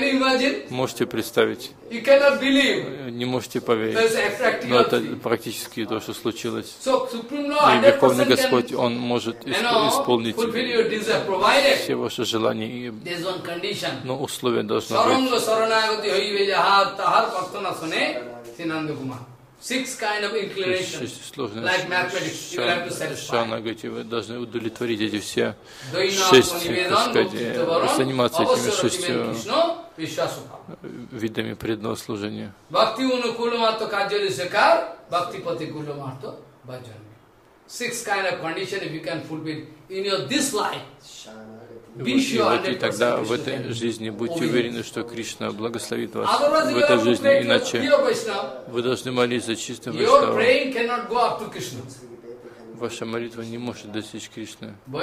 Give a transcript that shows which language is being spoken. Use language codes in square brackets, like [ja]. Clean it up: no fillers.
[ru] Можете представить? Не можете поверить, но это практически то, что случилось. И Верховный Господь, Он может исполнить все ваши желания, но условия должны быть. [en] Six kind of inclinations, like mathematics, you have to satisfy. [ru] Шанагати, вы должны удовлетворить эти все шесть, так сказать, заниматься этими шестью видами преданного служения. [sa] Бхакти унукуламарто каджали сакар, бхакти патикуламарто баджанми. [en] Six kind of condition, if you can fulfill in your this life, be sure that [ru] тогда в этой жизни будьте уверены, что Кришна благословит вас в этой жизни, иначе вы должны молиться за чистым Вайшнавом. Ваша молитва не может достичь Кришны.